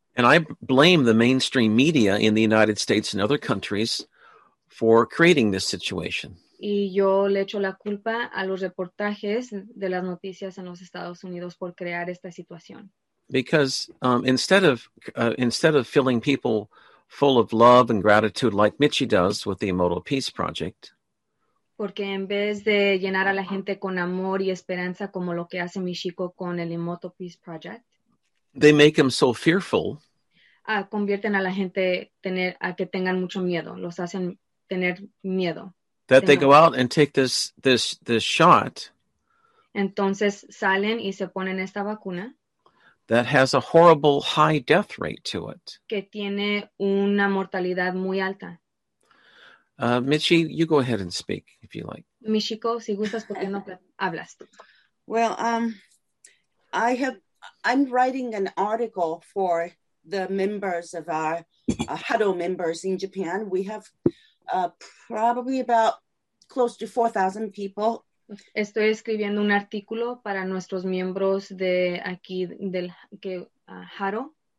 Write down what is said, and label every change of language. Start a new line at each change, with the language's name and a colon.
English: And I blame the mainstream media in the United States and other countries for creating this situation.
Spanish: Y yo le echo la culpa a los reportajes de las noticias en los Estados Unidos por crear esta situación.
English: Because instead of filling people full of love and gratitude like Michi does with the Immortal Peace Project.
Spanish: Porque en vez de llenar a la gente con amor y esperanza como lo que hace Michiko con el Immortal Peace Project.
English: They make him so fearful.
Spanish: Convierten a la gente a que tengan mucho miedo. Los hacen tener miedo.
English: That they go out and take this shot.
Spanish: Entonces salen y se ponen esta vacuna.
English: That has a horrible high death rate to it.
Spanish: Que tiene una mortalidad muy alta.
English: Michi, you go ahead and speak if you like.
Spanish: Michiko, si gustas, ¿por qué no hablas tú?
English: Well, I'm writing an article for the members of our huddle members in Japan. We have probably about close to 4,000 people.
Spanish: Estoy escribiendo un artículo para nuestros miembros de aquí del que Haro.